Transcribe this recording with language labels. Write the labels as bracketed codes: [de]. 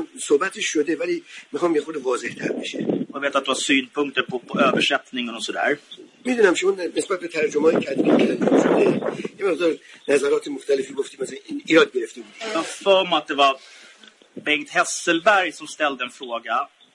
[sv] Jag vet att du har synpunkter på översättningen och sådär. [fa] میدونم شما نسبت به ترجمه‌ای که کردید یه مقدار نظرات مختلفی گفتیم مثلا این ایراد گرفتیم [sv] فهم att det var Bengt Hesselberg som ställde en fråga.